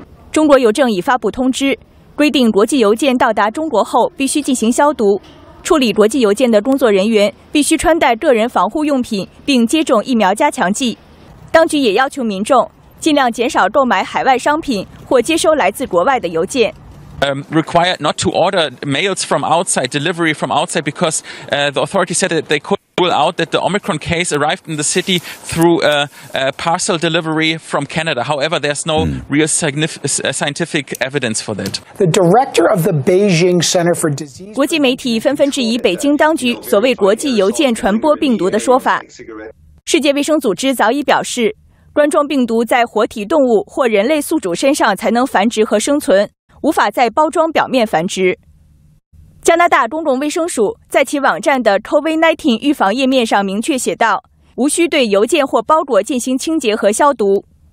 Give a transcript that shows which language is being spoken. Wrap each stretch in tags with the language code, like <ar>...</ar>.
<zh>中国邮政已发布通知，规定国际邮件到达中国后必须进行消毒，处理国际邮件的工作人员必须穿戴个人防护用品并接种疫苗加强剂。当局也要求民众尽量减少购买海外商品或接收来自国外的邮件。</zh> <en>Required not to order mails from outside, delivery from outside, because the authorities said that they could rule out that the Omicron case arrived in the city through a parcel delivery from Canada. However, there's no real scientific evidence for that. The director of the Beijing Center for Disease.</en> <zh>国际媒体纷纷质疑北京当局所谓国际邮件传播病毒的说法。世界卫生组织早已表示，冠状病毒在活体动物或人类宿主身上才能繁殖和生存，无法在包装表面繁殖。加拿大公共卫生署在其网站的 COVID-19 预防页面上明确写道，无需对邮件或包裹进行清洁和消毒。</zh>